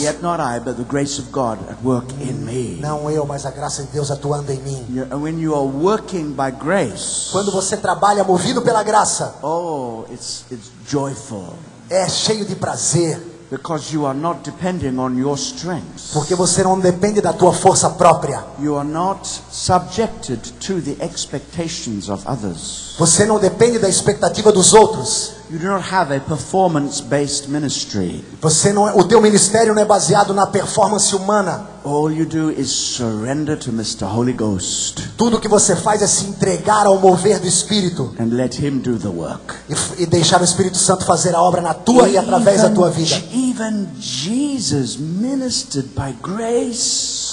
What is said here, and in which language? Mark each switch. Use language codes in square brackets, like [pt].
[en] Yet not I, but the grace of God at work in me. [pt] Não eu, mas a graça de Deus atuando em mim. [en] And when you are working by grace. [pt] Quando você trabalha movido pela graça. [en] Oh, it's joyful. [pt] É cheio de prazer. [en] Because you are not depending on your strength. [pt] Porque você não depende da tua força própria. [en] You are not subjected to the expectations of others. [pt] Você não depende da expectativa dos outros. [en] You do not have a performance-based ministry. [pt] Você não é, o teu ministério não é baseado na performance humana. [en] All you do is surrender to Mr. Holy Ghost. [pt] Tudo que você faz é se entregar ao mover do Espírito. [en] And let him do the work. [pt] E deixar o Espírito Santo fazer a obra na tua e através da tua vida. [en] Even Jesus ministered by grace.